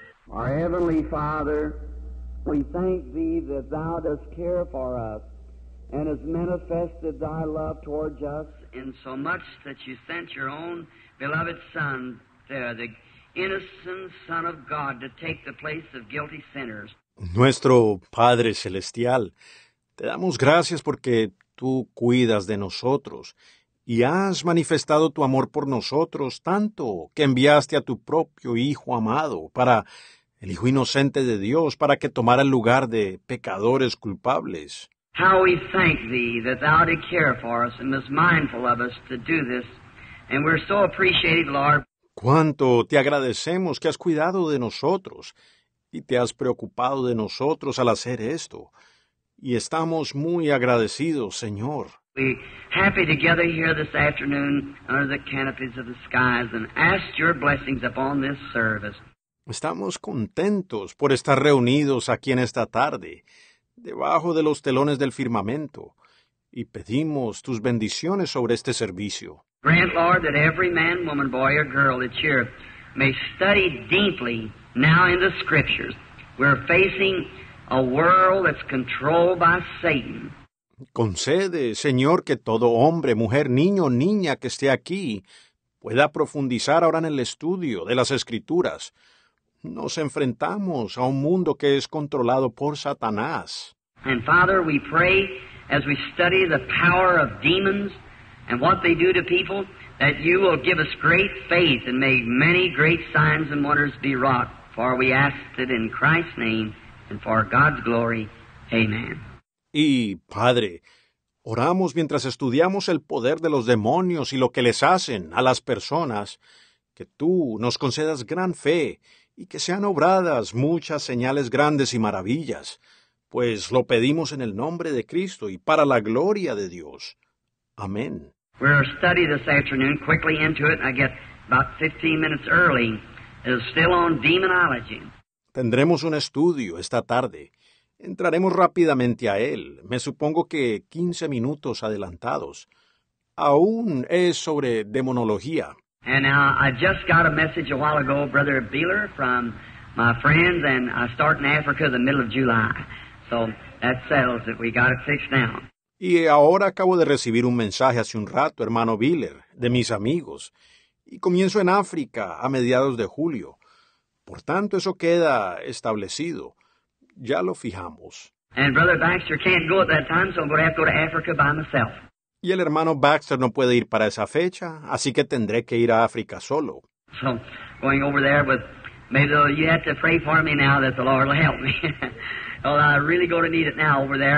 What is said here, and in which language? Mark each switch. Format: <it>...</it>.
<en>Our Heavenly Father, we thank Thee that Thou dost care for us and has manifested Thy love towards us in so much that You sent Your own beloved Son there, the innocent Son of God, to take the place of guilty sinners.</en> <es>Nuestro Padre Celestial, te damos gracias porque Tú cuidas de nosotros. Y has manifestado tu amor por nosotros tanto que enviaste a tu propio Hijo amado, para el Hijo inocente de Dios, para que tomara el lugar de pecadores culpables.</es> <en>How we thank thee that thou did care for us and was mindful of us to do this. And we're so appreciated, Lord.</en> <es>Cuánto te agradecemos que has cuidado de nosotros y te has preocupado de nosotros al hacer esto. Y estamos muy agradecidos, Señor.</es> <en>We're happy together here this afternoon under the canopies of the skies and ask your blessings upon this service.</en> <es>Estamos contentos por estar reunidos aquí en esta tarde, debajo de los telones del firmamento, y pedimos tus bendiciones sobre este servicio.</es> <en>Grant, Lord, that every man, woman, boy, or girl that's here may study deeply now in the Scriptures. We're facing a world that's controlled by Satan.</en> <es>Concede, Señor, que todo hombre, mujer, niño o niña que esté aquí pueda profundizar ahora en el estudio de las Escrituras. Nos enfrentamos a un mundo que es controlado por Satanás.</es> <en>And Father, we pray as we study the power of demons and what they do to people, that you will give us great faith and may many great signs and wonders be wrought. For we ask it in Christ's name and for God's glory. Amen.</en> <es>Y, Padre, oramos mientras estudiamos el poder de los demonios y lo que les hacen a las personas, que Tú nos concedas gran fe y que sean obradas muchas señales grandes y maravillas, pues lo pedimos en el nombre de Cristo y para la gloria de Dios. Amén.</es> <en>We're studying this afternoon, quickly into it, I get about 15 minutes early. It's still on demonology.</en> <es>Tendremos un estudio esta tarde. Entraremos rápidamente a él, me supongo que 15 minutos adelantados. Aún es sobre demonología.</es> <en>And I just got a message a while ago, Brother Beeler, from my friends, and I start in Africa the middle of July. So that settles it, we got it fixed now.</en> <es>Y ahora acabo de recibir un mensaje hace un rato, hermano Beeler, de mis amigos, y comienzo en África a mediados de julio. Por tanto, eso queda establecido. Ya lo fijamos.</es> <en>And Brother Baxter can't go at that time, so I'm going to have to go to Africa by myself.</en> <es>Y el hermano Baxter no puede ir para esa fecha, así que tendré que ir a África solo.</es> <en>So, going over there with Maybe you have to pray for me now that the Lord will help me. Well, I really go to need it now over there.</en>